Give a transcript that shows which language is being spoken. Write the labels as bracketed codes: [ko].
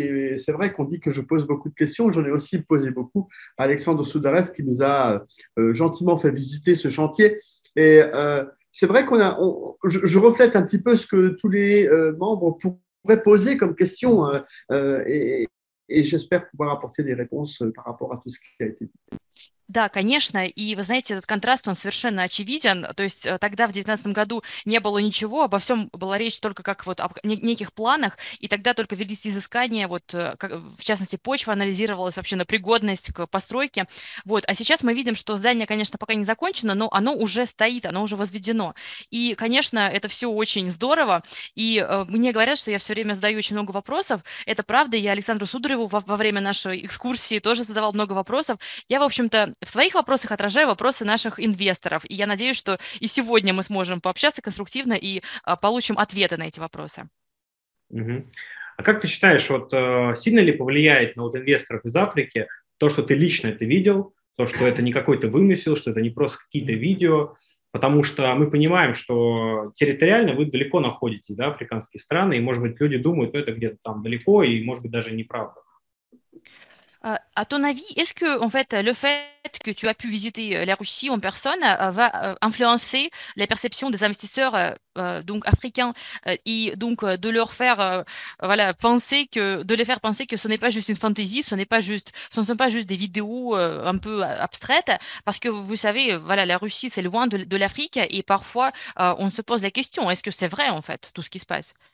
[fr] Et c'est vrai qu'on dit que je pose beaucoup de questions. J'en ai aussi posé beaucoup à Alexandre Soudarev qui nous a gentiment fait visiter ce chantier. Et c'est vrai je reflète un petit peu ce que tous les membres pourraient poser comme questions. Et j'espère pouvoir apporter des réponses par rapport à tout ce qui a été dit. [ru] Да, конечно. И вы знаете, этот контраст, он совершенно очевиден. То есть тогда, в 2019 году, не было ничего, обо всем была речь только как вот о неких планах, и тогда только велись изыскания, вот, в частности, почва анализировалась вообще на пригодность к постройке. Вот. А сейчас мы видим, что здание, конечно, пока не закончено, но оно уже стоит, оно уже возведено. И, конечно, это все очень здорово. И мне говорят, что я все время задаю очень много вопросов. Это правда. Я Александру Судареву во время нашей экскурсии тоже задавал много вопросов. Я, в общем-то, в своих вопросах отражаю вопросы наших инвесторов. И я надеюсь, что и сегодня мы сможем пообщаться конструктивно и получим ответы на эти вопросы. А как ты считаешь, вот сильно ли повлияет на вот инвесторов из Африки то, что ты лично это видел, то, что это не какой-то вымысел, что это не просто какие-то видео? Потому что мы понимаем, что территориально вы далеко находитесь, да, африканские страны, и, может быть, люди думают, что это где-то там далеко, и, может быть, даже неправда. [fr] À ton avis, est-ce que en fait le fait que tu as pu visiter la Russie en personne va influencer la perception des investisseurs donc africains et donc de leur faire voilà penser que de les faire penser que ce n'est pas juste une fantaisie, ce ne sont pas juste des vidéos un peu abstraites parce que vous savez voilà la Russie c'est loin de l'Afrique et parfois on se pose la question est-ce que c'est vrai en fait tout ce qui se passe?